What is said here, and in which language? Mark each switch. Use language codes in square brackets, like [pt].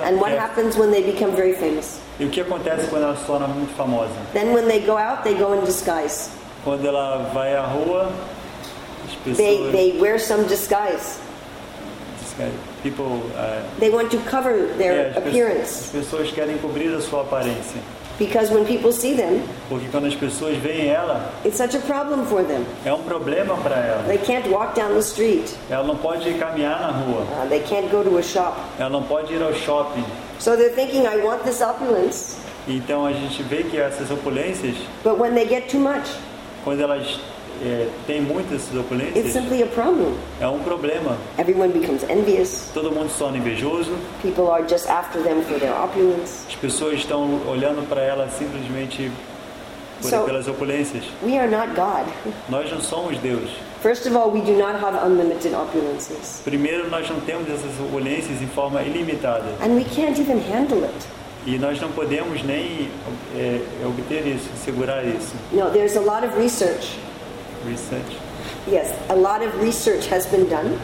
[en] and what happens when they become very famous? [pt] E o que acontece quando ela se torna muito famosa? [en] Then when they go out, they go in disguise. [pt] Quando ela vai à rua, as pessoas, [en] they wear some disguise. They want to cover their appearance. [pt] As pessoas querem cobrir a sua aparência. [en] Because when people see them, [pt] porque quando as pessoas veem ela, [en] it's such a problem for them. [pt] É um problema para ela. [en] They can't walk down the street. [pt] Ela não pode caminhar na rua. [en] They can't go to a shop. [pt] Ela não pode ir ao shopping. [en] So they're thinking, I want this opulence. [pt] Então a gente vê que essas opulências, [en] but when they get too much, [pt] quando elas tem muitas opulências, [en] it's simply a problem. [pt] É um problema. [en] Everyone becomes envious. [pt] Todo mundo se torna invejoso. [en] People are just after them for their opulence. [pt] As pessoas estão olhando para ela simplesmente pelas opulências. [en] We are not God. [pt] Nós não somos Deus. [en] First of all, we do not have unlimited opulences. [pt] Primeiro, nós não temos essas opulências em forma ilimitada. [en] And we can't even handle it. [pt] E nós não podemos nem obter isso, segurar isso. [en] No, there's a lot of research. Research. Yes, a lot of research has been done.